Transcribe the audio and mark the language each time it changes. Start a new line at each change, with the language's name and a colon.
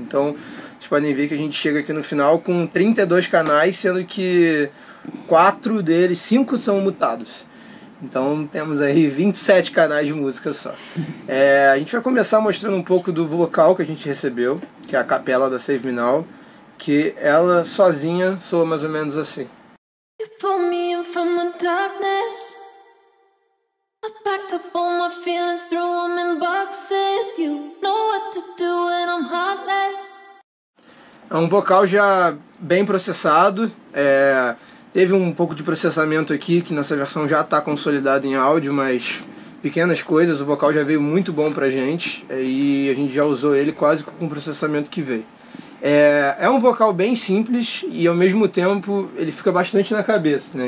Portuguese: Então, vocês podem ver que a gente chega aqui no final com 32 canais, sendo que 4 deles, 5 são mutados. Então, temos aí 27 canais de música só. É, a gente vai começar mostrando um pouco do vocal que a gente recebeu, que é a capela da Save Me Now, que ela sozinha soa mais ou menos assim.
English: You pulled me in from the darkness. I packed up all my feelings, threw them in boxes. You know what to do when I'm heartless.
Portuguese: É um vocal já bem processado. É, teve um pouco de processamento aqui, que nessa versão já está consolidado em áudio, mas pequenas coisas. O vocal já veio muito bom pra gente. E a gente já usou ele quase com o processamento que veio. É um vocal bem simples e ao mesmo tempo ele fica bastante na cabeça, né?